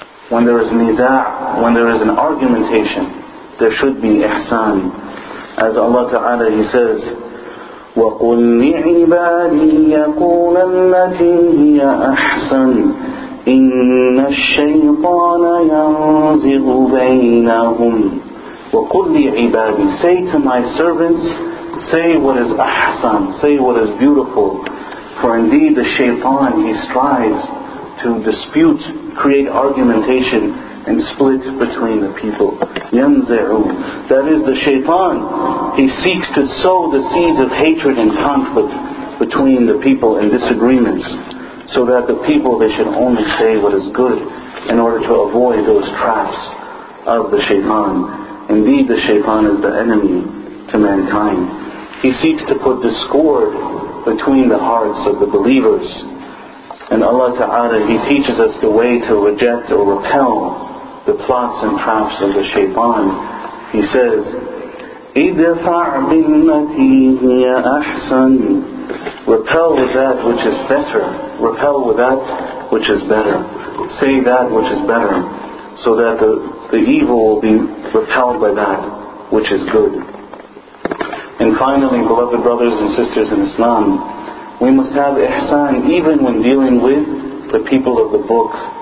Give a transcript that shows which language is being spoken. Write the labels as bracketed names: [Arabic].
[English] When there is niza', when there is an argumentation, there should be ihsan. As Allah Ta'ala, He says, [Arabic] وَقُلْ لِعِبَادِي يَقُولَ الَّتِي هِيَ أَحْسَنِ إِنَّ الشَّيْطَانَ يَنْزِغُ بَيْنَهُمْ. وَقُلْ لِعِبَادِي, [English] say to my servants, say what is ahsan, say what is beautiful. For indeed the shaytan, he strives to dispute, create argumentation, and split between the people. يَنْزِعُ, that is the shaytan. He seeks to sow the seeds of hatred and conflict between the people and disagreements, so that the people, they should only say what is good in order to avoid those traps of the shaytan. Indeed, the shaytan is the enemy to mankind. He seeks to put discord between the hearts of the believers. And Allah Ta'ala, He teaches us the way to reject or repel the plots and traps of the shaytan. He says, [Arabic] اِدْفَعْ بِالَّتِي هِيَ أَحْسَنْ. [English] Repel with that which is better. Repel with that which is better. Say that which is better, so that the evil will be repelled by that which is good. And finally, beloved brothers and sisters in Islam, we must have ihsan even when dealing with the people of the book.